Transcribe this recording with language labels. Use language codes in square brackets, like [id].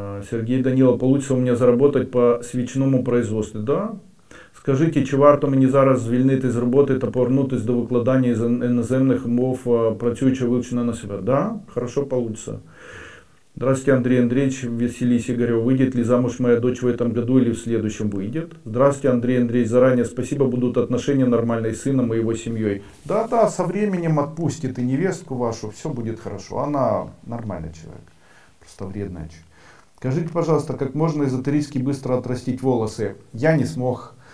[ru] Сергей Данилов, получится у меня заработать по свечному производству? Да. Скажите, [uk] чи варто мені зараз звільнити з роботи та повернутися до викладання з іноземних мов, працюючи вивчено на себе? [ru] Да, хорошо получится. Здравствуйте, [uk] Андрій Андрійович, [ru] Василий Сигарьов. Выйдет ли замуж моя дочь в этом году или в следующем? Выйдет. Здравствуйте, [uk] Андрій Андрійович, [ru] заранее спасибо, будут отношения нормальные с сыном и его семьей? Да, со временем отпустит и невестку вашу, все будет хорошо. Она нормальный человек, просто вредная. Скажите, пожалуйста, как можно эзотерически быстро отрастить волосы? Я не смог.